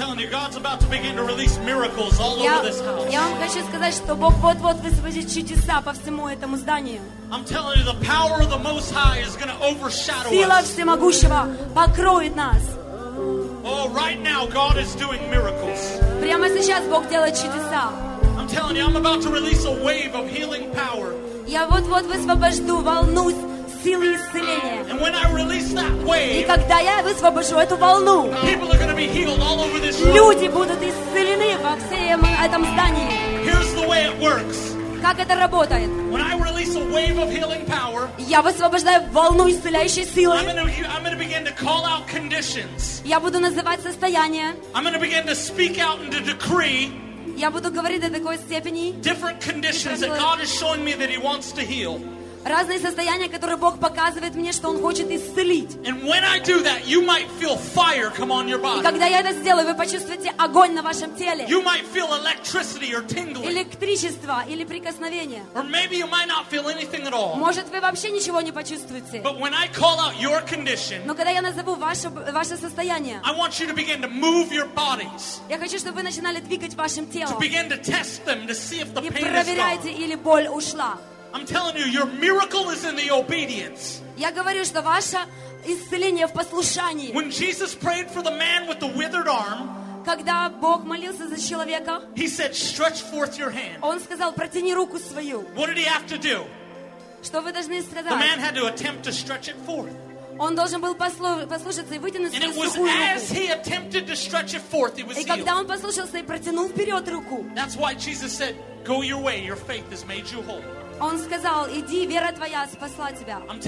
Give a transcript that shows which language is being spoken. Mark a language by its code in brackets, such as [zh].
[en] God's about to begin to release miracles all over this house. [ru] Я вам хочу сказать, что Бог вот-вот высвободит чудеса по всему этому зданию. [en] I'm telling you, the power of the Most High is going to overshadow us. [ru] Сила всемогущего покроет нас. [en] Oh, right now God is doing miracles. [ru] Прямо сейчас Бог делает чудеса. [en] I'm telling you, I'm about to release a wave of healing power. [ru] Я вот-вот высвобожу волну силы исцеления. [en] And when I release that wave, [ru] и когда я высвобожу эту волну, [en] people are going to be healed all over this room. [ru] Люди будут исцелены во всем этом здании. [en] Here's the way it works. [ru] Как это работает? [en] When I release a wave of healing power, [ru] я высвобождаю волну исцеляющей силы. [en] I'm gonna begin to call out conditions. [ru] Я буду называть состояния. [en] I'm gonna begin to speak out and to decree. [ru] Я буду говорить до такой степени. [en] Different conditions that God is showing me that He wants to heal. [ru] Разные состояния, которые Бог показывает мне, что Он хочет исцелить. [en] And when I do that, you might feel fire come on your body. [ru] И когда я это сделаю, вы почувствуете огонь на вашем теле. [en] You might feel electricity or tingling. [ru] Электричество или прикосновение. [en] Or maybe you might not feel anything at all. [ru] Может, вы вообще ничего не почувствуете. [en] But when I call out your condition, [ru] но когда я назову ваше состояние, [en] I want you to begin to move your bodies. [ru] Я хочу, чтобы вы начинали двигать вашим телом. [en] To begin to test them to see if the pain is gone. [ru] И проверяйте, или боль ушла. [en] I'm telling you, your miracle is in the obedience. [ru] Я говорю, что ваше исцеление в послушании. [en] When Jesus prayed for the man with the withered arm, [ru] когда Бог молился за человека, [en] He said, "Stretch forth your hand." [ru] Он сказал, протяни руку свою. [en] What did he have to do? [ru] Что вы должны сказать? [en] The man had to attempt to stretch it forth. [ru] Он должен был послушаться и вытянуть свою сухую руку. [en] And it was as he attempted to stretch it forth, he was healed. [ru] И когда он послушался и протянул вперед руку. [en] That's why Jesus said, "Go your way. Your faith has made you whole." [ru] Он сказал, иди, вера твоя спасла тебя.